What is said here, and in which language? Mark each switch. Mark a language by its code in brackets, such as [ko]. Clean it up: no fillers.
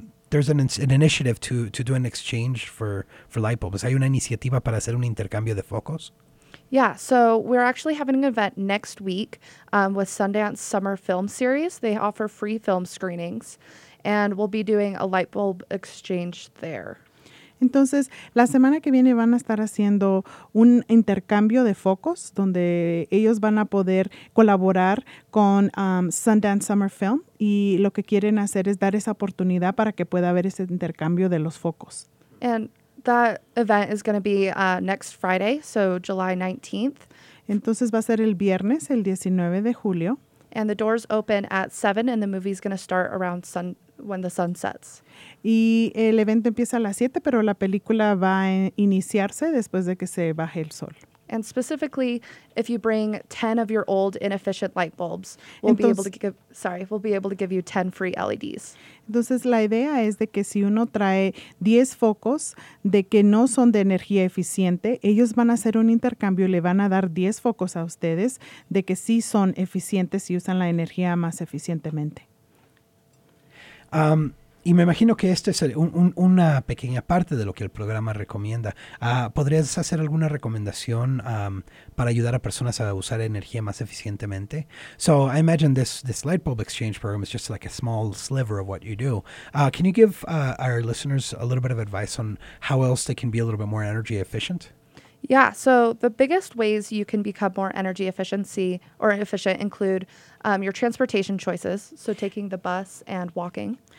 [en] There's an initiative to do an exchange for light bulbs. [es] ¿Hay una iniciativa para hacer un intercambio de focos? [en] Yeah, so we're actually having an event next week with Sundance Summer Film Series. They offer free film screenings, and we'll be doing a light bulb exchange there. [es] Entonces, la semana que viene van a estar haciendo un intercambio de focos donde ellos van a poder colaborar con Sundance Summer Film, y lo que quieren hacer es dar esa oportunidad para que pueda haber ese intercambio de los focos. [en] And that event is going to be next Friday, so July 19th. [es] Entonces va a ser el viernes, el 19 de julio. [en] And the doors open at 7 and the movie is going to start around when the sun sets. [es] Y el evento empieza a las 7, pero la película va a iniciarse después de que se baje el sol. [en] And specifically, if you bring 10 of your old inefficient light bulbs, we'll be able to give you 10 free LEDs. [es] Entonces, la idea es de que si uno trae 10 focos de que no son de energía eficiente, ellos van a hacer un intercambio y le van a dar 10 focos a ustedes de que sí son eficientes y usan la energía más eficientemente. Y me imagino que esto es una pequeña parte de lo que el programa recomienda. ¿Podrías hacer alguna recomendación para ayudar a personas a usar energía más eficientemente? [en] So I imagine this light bulb exchange program is just like a small sliver of what you do. Can you give our listeners a little bit of advice on how else they can be a little bit more energy efficient? Yeah, so the biggest ways you can become more energy efficient include your transportation choices, so taking the bus and walking.